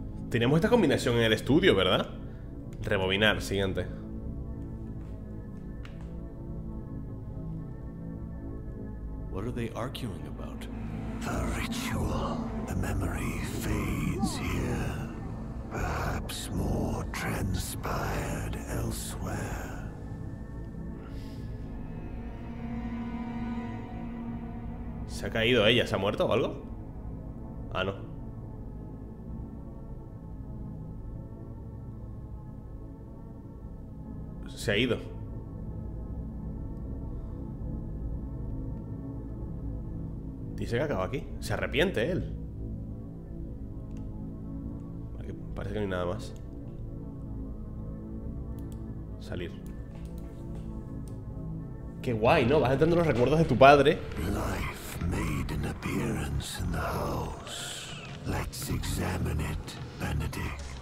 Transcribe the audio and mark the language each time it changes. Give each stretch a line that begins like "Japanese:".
Spanish: Tenemos esta combinación en el estudio, ¿verdad? Rebobinar, siguiente. ¿Qué están
English: arguing about? The ritual, the memory fades here. Perhaps more transpired elsewhere.
Spanish: ¿Se ha caído ella? ¿Se ha muerto o algo? Ah, no. Se ha ido. Dice que acaba aquí. Se arrepiente él. Parece que no hay nada más. Salir. Qué guay, ¿no? Vas entrando los recuerdos de tu padre.
English: Life made an appearance in the house. Let's examine it, Benedict.